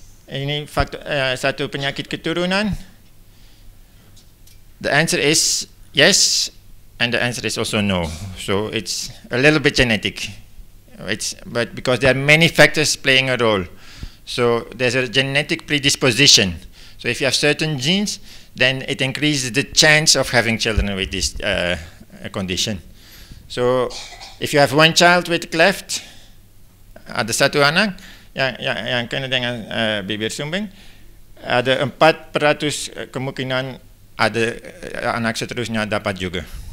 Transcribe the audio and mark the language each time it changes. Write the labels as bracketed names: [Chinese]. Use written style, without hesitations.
[Malay] Ini satu penyakit keturunan? [English] The answer is yes, and the answer is also no. So it's a little bit genetic. But because there are many factors playing a role. So there's a genetic predisposition. So if you have certain genes, then it increases the chance of having children with this condition. So if you have one child with cleft, [Malay] ada satu anak yang kena dengan bibir sumbing, ada 4% kemungkinan ada anak seterusnya dapat juga.